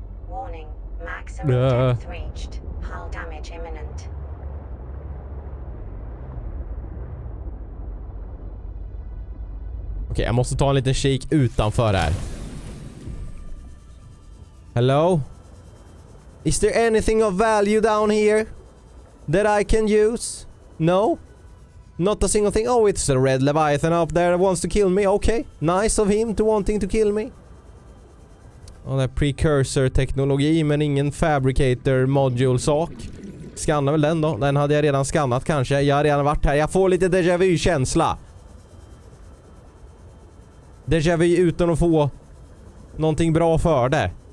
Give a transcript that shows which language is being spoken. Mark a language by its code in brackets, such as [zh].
[en] Warning. Maximum depth reached. Hull damage imminent. [sv] Okej, jag måste ta en liten kik utanför här. [en] Hello? Is there anything of value down here that I can use? No? Not a single thing. Oh, it's a red Leviathan up there that wants to kill me. Okay, nice of him to wanting to kill me. [sv] Oh, det är precursor-teknologi men ingen fabricator-module-sak. Skannar väl den då? Den hade jag redan skannat kanske. Jag har redan varit här. Jag får lite déjà vu-känsla. Déjà vu utan att få någonting bra för det.